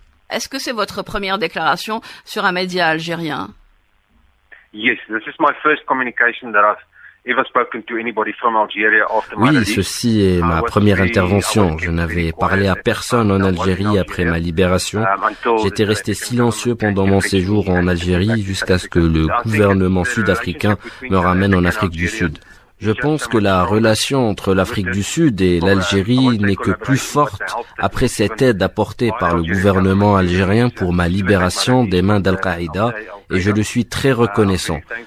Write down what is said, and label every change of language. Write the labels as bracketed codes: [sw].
[fr] Est-ce que c'est votre première déclaration sur un média algérien? [en] Yes, this is my first communication that I've ever spoken to anybody from Algeria after my [fr] Oui, ceci est ma première intervention. Je n'avais parlé à personne en Algérie après ma libération. J'étais resté silencieux pendant mon séjour en Algérie jusqu'à ce que le gouvernement sud-africain me ramène en Afrique du Sud. Je pense que la relation entre l'Afrique du Sud et l'Algérie n'est que plus forte après cette aide apportée par le gouvernement algérien pour ma libération des mains d'Al-Qaïda, et je le suis très reconnaissant.